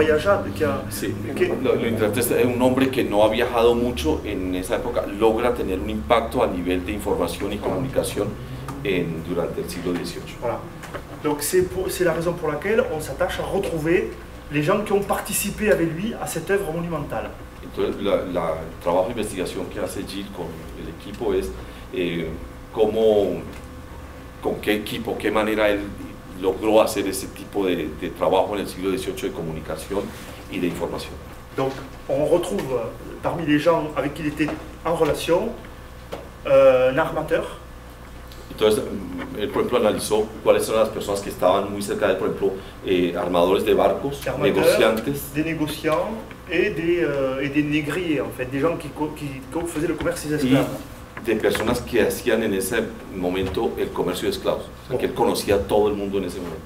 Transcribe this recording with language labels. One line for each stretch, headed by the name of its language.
Spanish: Voyageado, sí, un hombre que no ha viajado mucho en esa época logra tener un impacto a nivel de información y comunicación durante el siglo XVIII.
French: Voilà. C'est la raison pour laquelle on s'attache à retrouver les gens qui ont participé avec lui à cette œuvre monumentale.
Spanish: Entonces, el trabajo de investigación que hace Gilles con el equipo es cómo, con qué equipo, qué manera él. Logró hacer ese tipo de trabajo en el siglo XVIII de comunicación y de información.
French: Donc, on retrouve parmi les gens avec qui il était en relación un armateur.
Spanish: Entonces, él, por ejemplo, analizó cuáles eran las personas que estaban muy cerca de él, por ejemplo, armadores de barcos, negociantes.
French: Des négociants et des négriers, en fait, des gens qui faisaient le commerce des esclaves.
Spanish: De personas que hacían en ese momento el comercio de esclavos, o sea, que él conocía todo el mundo en ese momento.